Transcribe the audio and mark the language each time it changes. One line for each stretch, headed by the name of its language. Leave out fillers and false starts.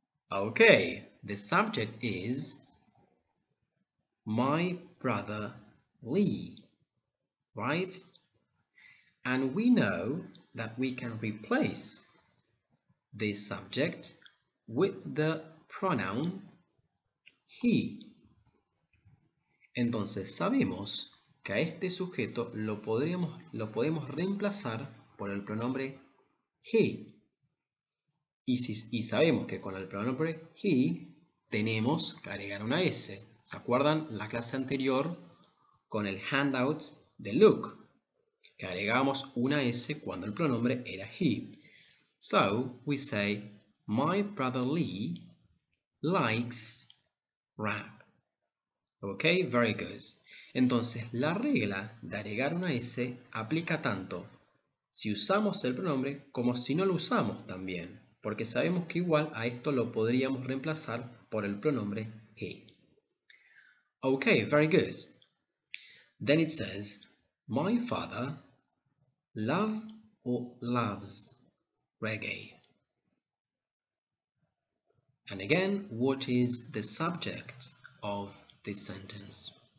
English: Okay, the subject is my brother Lee, right? And we know that we can replace this subject with the pronoun he.
Spanish: Entonces sabemos que a este sujeto lo podemos reemplazar por el pronombre he. Y sabemos que con el pronombre he tenemos que agregar una S. ¿Se acuerdan la clase anterior con el handout de Luke? Que agregamos una S cuando el pronombre era he.
English: So, we say, my brother Lee likes rap. Ok, very good.
Spanish: Entonces, la regla de agregar una S aplica tanto si usamos el pronombre como si no lo usamos también. Porque sabemos que igual a esto lo podríamos reemplazar por el pronombre he.
English: Ok, very good. Then it says, my father love or loves reggae? And again, what is the subject of this sentence?